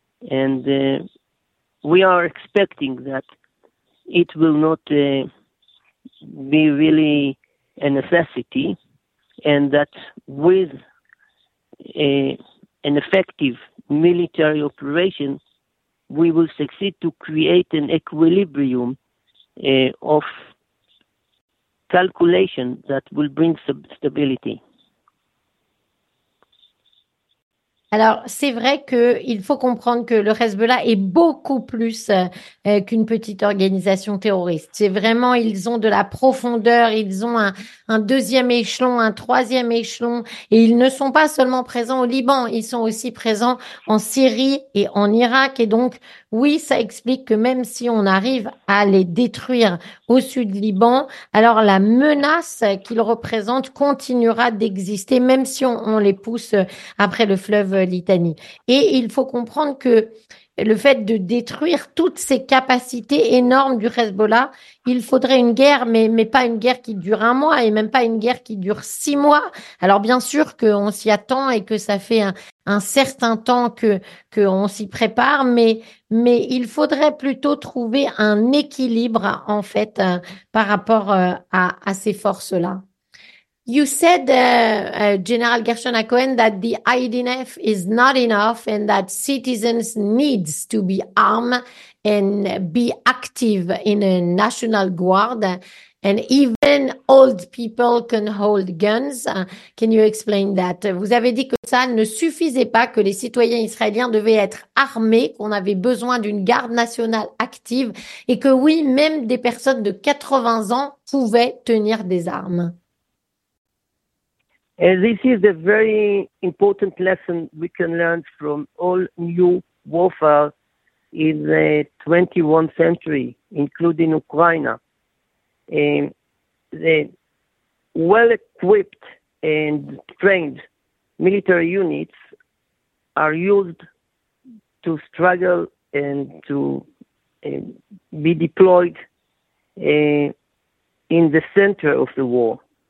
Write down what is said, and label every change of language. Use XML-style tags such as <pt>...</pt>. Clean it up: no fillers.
<en>And we are expecting that it will not be really a necessity, and that with an effective military operation, we will succeed to create an equilibrium of calculation that will bring stability.</en> <fr>Alors, c'est vrai qu'il faut comprendre que le Hezbollah est beaucoup plus qu'une petite organisation terroriste. C'est vraiment, ils ont de la profondeur, ils ont un deuxième échelon, un troisième échelon, et ils ne sont pas seulement présents au Liban, ils sont aussi présents en Syrie et en Irak. Et donc, oui, ça explique que même si on arrive à les détruire au sud du Liban, alors la menace qu'ils représentent continuera d'exister, même si on les pousse après le fleuve Litanie. Et il faut comprendre que le fait de détruire toutes ces capacités énormes du Hezbollah, il faudrait une guerre, mais pas une guerre qui dure un mois et même pas une guerre qui dure six mois. Alors bien sûr qu'on s'y attend et que ça fait un certain temps qu'on s'y prépare, mais il faudrait plutôt trouver un équilibre en fait par rapport à ces forces-là.</fr> <en>You said, General Gershon HaKohen, that the IDF is not enough and that citizens need to be armed and be active in a national guard, and even old people can hold guns. Can you explain that?</en> <fr>Vous avez dit que ça ne suffisait pas, que les citoyens israéliens devaient être armés, qu'on avait besoin d'une garde nationale active, et que oui, même des personnes de 80 ans pouvaient tenir des armes.</fr> <en>This is a very important lesson we can learn from all new warfare in the 21st century, including Ukraine. The well-equipped and trained military units are used to struggle and to be deployed in the center of the war.</en>